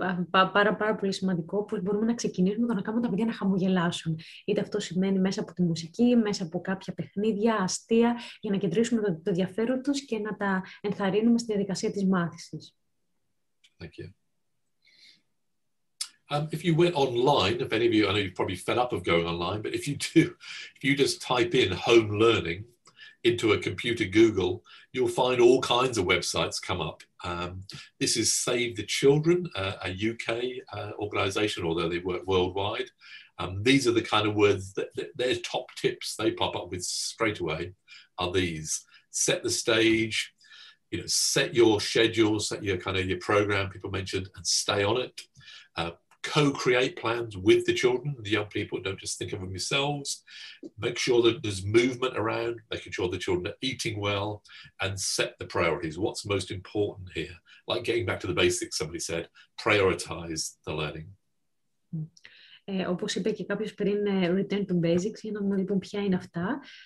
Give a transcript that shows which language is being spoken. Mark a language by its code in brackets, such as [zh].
[el] Πάρα πολύ σημαντικό πως μπορούμε να ξεκινήσουμε το να κάνουμε τα παιδιά να χαμογελάσουν. Είτε αυτό σημαίνει μέσα από τη μουσική, μέσα από κάποια παιχνίδια, αστεία, για να κεντρήσουμε το ενδιαφέρον τους και να τα ενθαρρύνουμε στη διαδικασία της μάθησης. [en] Thank you. If you went online, if any of you, I know you're probably fed up of going online, but if you just type in home learning into a computer Google, you'll find all kinds of websites come up. This is Save the Children, a UK organisation, although they work worldwide. These are the kind of words that their top tips they pop up with straight away are these. Set the stage, you know, set your schedule, set your kind of your programme people mentioned, and stay on it. Co-create plans with the children, the young people, don't just think of them yourselves. Make sure that there's movement around, making sure the children are eating well, and set the priorities. What's most important here? Like getting back to the basics, somebody said, prioritize the learning. [el] Όπως είπε και κάποιος πριν, [en] return to basics, [el] για να δούμε λοιπόν ποια είναι αυτά.